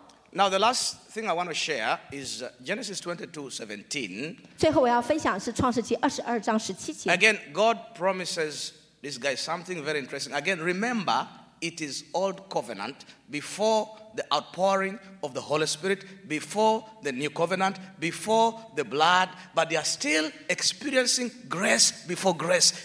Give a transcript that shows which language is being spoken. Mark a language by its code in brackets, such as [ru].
[en] Now the last thing I want to share is Genesis 22:17. [zh] 最后我要分享是创世纪22章17节. [en] Again, God promises this guy something very interesting. Again, remember, it is old covenant before the outpouring of the Holy Spirit, before the new covenant, before the blood, but they are still experiencing grace before grace.